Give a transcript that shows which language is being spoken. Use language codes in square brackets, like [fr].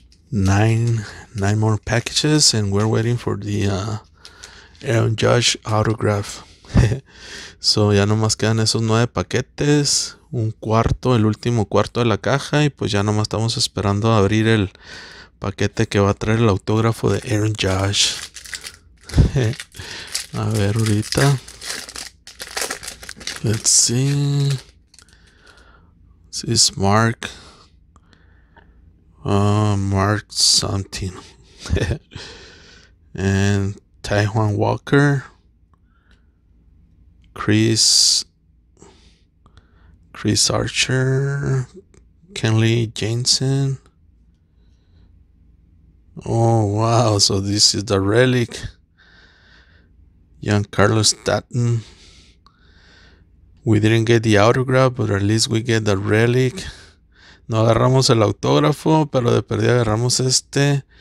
[en] Nine more packages, and we're waiting for the Aaron Judge autograph. [es] So ya nomás quedan esos 9 paquetes, un cuarto, el último cuarto de la caja, y pues ya nomás estamos esperando abrir el paquete que va a traer el autógrafo de Aaron Judge. A ver ahorita. [en] Let's see. This is Mark. Mark something. And Taijuan Walker. Chris Archer. Kenley Jensen. Oh wow, so this is the relic. Giancarlo Stanton. We didn't get the autograph, but at least we get the relic. [es] No agarramos el autógrafo, pero de perdida agarramos este.